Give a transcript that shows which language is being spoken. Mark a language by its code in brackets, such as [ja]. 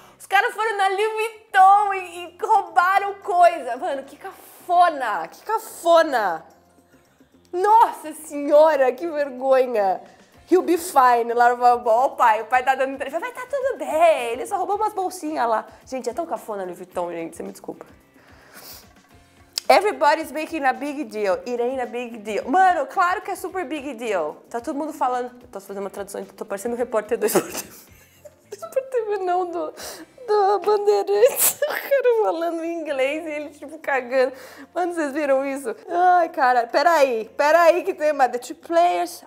[pt] Os caras foram na Louis Vuitton e roubaram coisa. Mano, que cafona, que cafona. Nossa senhora, que vergonha. [en] He'll be fine, [pt] lá no babó. O pai tá dando entrevista. Vai, tá tudo bem. Ele só roubou umas bolsinhas lá. Gente, é tão cafona Louis Vuitton, gente. Você me desculpa. [en] Everybody's making a big deal. It ain't a big deal. [pt] Mano, claro que é super big deal. Tá todo mundo falando. Eu tô fazendo uma tradução, tô parecendo um repórter do Super TV, não, do Bandeirantes. O cara falando em inglês e ele, tipo, cagando. Mano, vocês viram isso? Ai, cara, peraí que tem mais. [en] The two players.